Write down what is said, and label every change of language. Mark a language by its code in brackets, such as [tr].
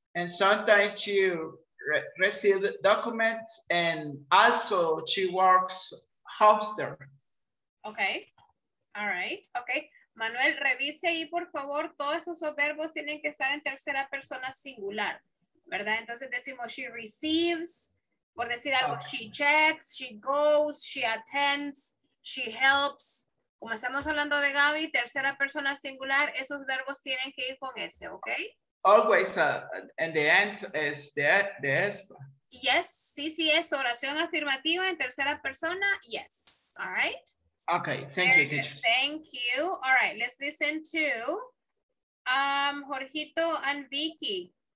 [en] And sometimes she receives documents and also she works hamster. Okay. All right. Okay. [es] Manuel, revise ahí, por favor. Todos esos verbos tienen que estar en tercera persona singular, ¿verdad? Entonces decimos [en] she receives, [es] por decir algo, okay. [en] She checks, she goes, she attends, she helps. [es] Como estamos hablando de Gaby, tercera persona singular, esos verbos tienen que ir con S, ¿ok? [en] Always, and the end is the S. [es] Yes, sí, sí, es oración afirmativa en tercera persona, yes. [en] All right. Okay, thank you, teacher. Thank you. All right, let's listen to Jorgito and Vicky.